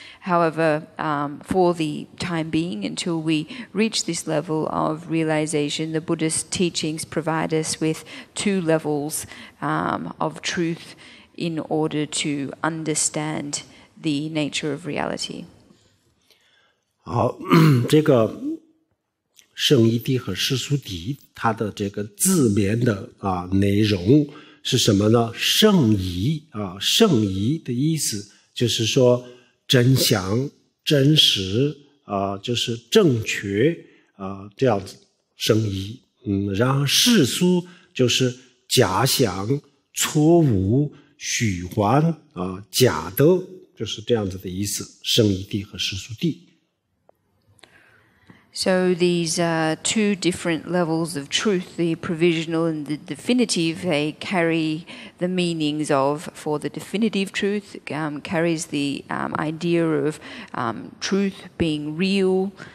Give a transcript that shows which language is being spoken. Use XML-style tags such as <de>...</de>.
<en>However, for the time being, until we reach this level of realization, the Buddhist teachings provide us with two levels of truth in order to understand the nature of reality.</en> <zh>好，这个圣义谛和世俗谛，它的这个字面的啊内容是什么呢？圣义啊，圣义的意思就是说真相、真实啊，就是正确啊，这样子圣义。然后世俗就是假想、错误、虚幻啊，假的，就是这样子的意思，圣义谛和世俗谛。</zh> <en>So these are two different levels of truth, the provisional and the definitive. They carry the meanings of, for the definitive truth, carries the idea of truth being real.</en>